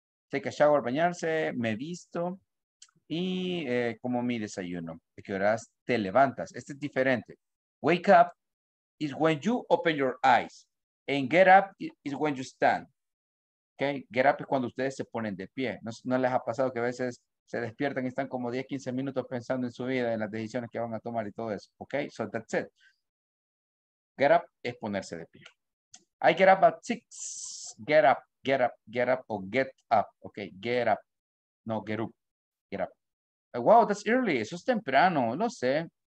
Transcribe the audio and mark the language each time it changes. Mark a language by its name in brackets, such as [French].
[English] Take a shower, [Spanish] bañarse, me visto y como mi desayuno. ¿De qué horas te levantas? Este es diferente. [English] Wake up is when you open your eyes and get up is when you stand. Okay? [Spanish] Get up es cuando ustedes se ponen de pie. ¿No les ha pasado que a veces se despiertan y están como 10, 15 minutos pensando en su vida, en las decisiones que van a tomar y todo eso? [English] Okay? So that's it. Get up [Spanish] es ponerse de pie. [English] I get up at 6. Get up, or get up. Okay, get up. No, get up. Get up. Wow, that's early. [Spanish] Eso es temprano. Lo sé.